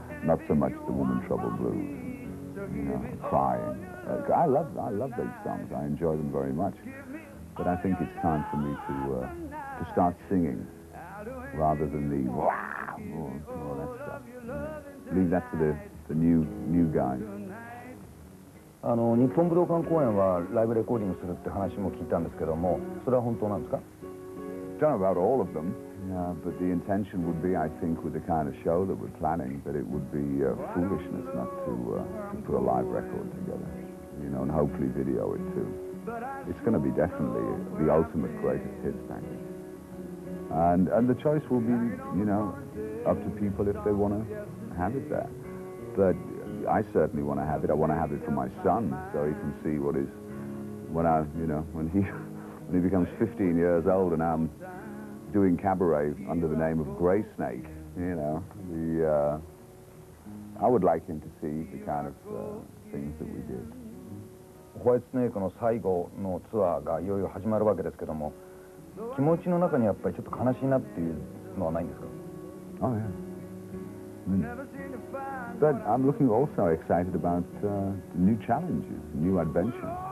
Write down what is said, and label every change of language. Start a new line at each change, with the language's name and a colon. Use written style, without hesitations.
English: Not so much the Woman Trouble Blues, you know, crying. I love those songs. I enjoy them very much. But I think it's time for me to start singing. Rather than the wow, all that stuff. Leave that to the new guys.
Japanese: あの日本武道館公演はライブレコーディングするって話も聞いたんですけども、それは本当なんですか？
English: Don't know about all of them, but the intention would be, I think, with the kind of show that we're planning, that it would be foolishness not to put a live record together, you know, and hopefully video it too. It's going to be definitely the ultimate greatest hits package. And the choice will be, you know, up to people if they want to have it there. But I certainly want to have it. I want to have it for my son so he can see what is, when I, you know, when he becomes 15 years old and I'm doing cabaret under the name of Greysnake, you know, I would like him to see the kind of things that we did.
Japanese: Whitesnake の最後のツアーがいよいよ始まるわけですけども、気持ちの中にやっぱりちょっと悲しいなっていうのはないんですか？
English: Oh yeah. But I'm looking also excited about new challenges, new adventures.